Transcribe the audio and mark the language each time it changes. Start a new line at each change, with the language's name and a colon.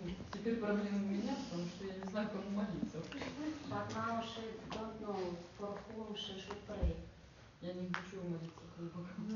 Russian: Теперь проблема у меня, потому что я не знаю, кому молиться.
English: But now she don't know for whom she should pray.
Russian: Я не хочу молиться к Богу.